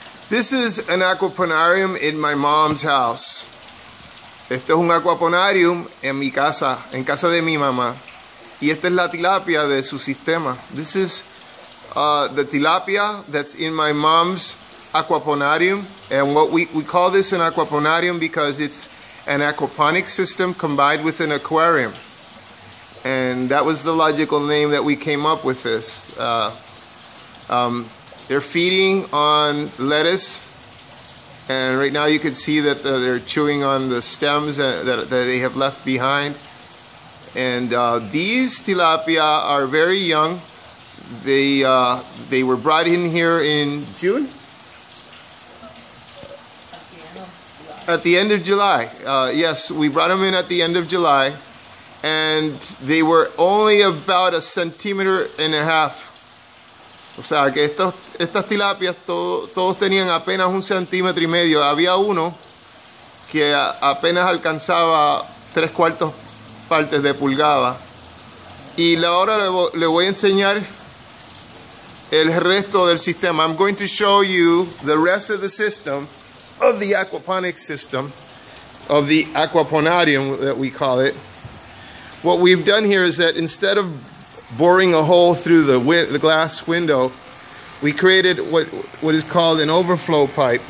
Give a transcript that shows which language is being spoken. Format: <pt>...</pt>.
<en>This is an aquaponarium in my mom's house.</en> <es>Este es un aquaponarium en mi casa, en casa de mi mamá. Y esta es la tilapia de su sistema.</es> <en>This is the tilapia that's in my mom's aquaponarium. And what we call this an aquaponarium because it's an aquaponics system combined with an aquarium. And that was the logical name that we came up with this. They're feeding on lettuce. And right now you can see that they're chewing on the stems that they have left behind. And these tilapia are very young. They were brought in here in June? At the end of July. Yes, we brought them in at the end of July. And they were only about a centimeter and a half.</en> <es>O sea, que estas tilapias todos tenían apenas un centímetro y medio. Había uno que apenas alcanzaba tres cuartos partes de pulgada. Y ahora le voy a enseñar el resto del sistema.</es> <en>I'm going to show you the rest of the system, of the aquaponics system, of the aquaponarium that we call it. What we've done here is that instead of boring a hole through the glass window, we created what is called an overflow pipe.</en>